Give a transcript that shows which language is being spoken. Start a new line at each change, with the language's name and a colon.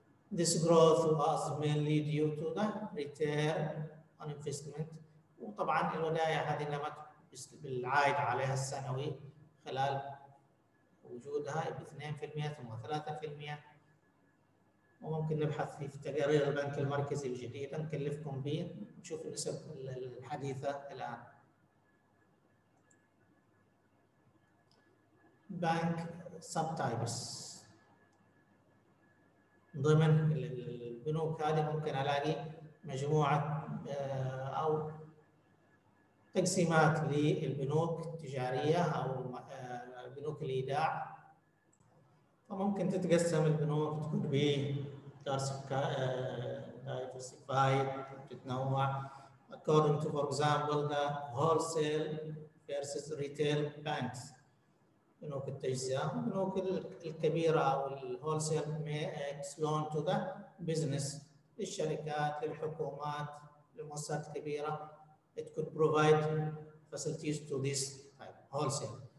English: This growth was mainly due to the return on investment.
Arabic: وطبعا الودائع هذه نمت بالعائد عليها السنوي خلال وجودها ب 2% ثم 3%. وممكن نبحث في تقارير البنك المركزي الجديدة نكلفكم به نشوف النسب الحديثة الآن. بنك subtypes ضمن البنوك هذه ممكن ألاقي مجموعة أو تقسيمات للبنوك التجارية أو البنوك الإيداع. فممكن تتقسم البنوك تكون ب
English: diversified
Arabic: تتنوع
English: according to for example the wholesale versus retail banks.
Arabic: بنوك التجزئة, بنوك الكبيرة أو الهولسيل
English: makes loan to the business
Arabic: للشركات, للحكومات, للمؤسسات الكبيرة.
English: It could provide facilities to this type wholesale.